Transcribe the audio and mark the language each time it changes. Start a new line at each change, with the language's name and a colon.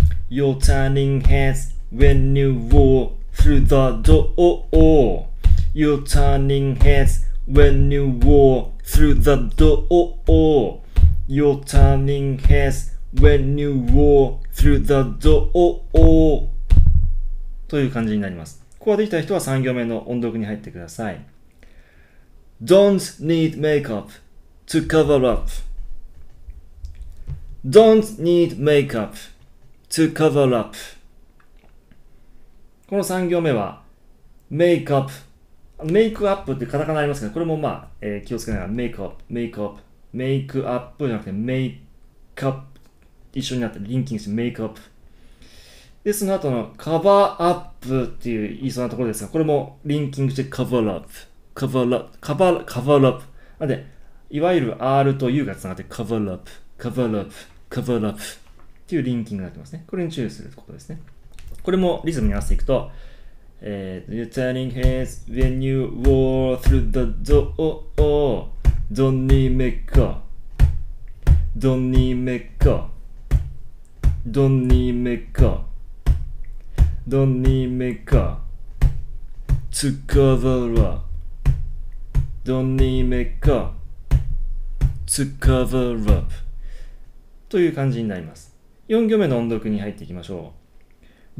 English: You're turning heads when you walk through the door. You're turning heads when you walk through the door. You're turning heads when you walk through the door.
Japanese: という感じになります。ここができた人は3行目の音読に入ってください。
English: Don't need makeup to cover up. Don't need makeup to cover up.
Japanese: この3行目は、makeup、メイクアップってカタカナありますけど、これもまあ、気をつけながら、メイクアップじゃなくて、メイクアップ、一緒になってリンキングして、メイクアップ。で、その後のカバーアップっていう言いそうなところですが、これもリンキングして、カバーアップ。なんで、いわゆる R と U がつながって、カバーアップっていうリンキングになってますね。これに注意することですね。これもリズムに合わせていくと、
English: You're turning heads when you walk through the door. Don't need makeup. Don't need makeup. Don't need makeup. Don't need makeup to cover up. Don't need makeup to cover up.
Japanese: という感じになります。4行目の音読に入っていきましょう。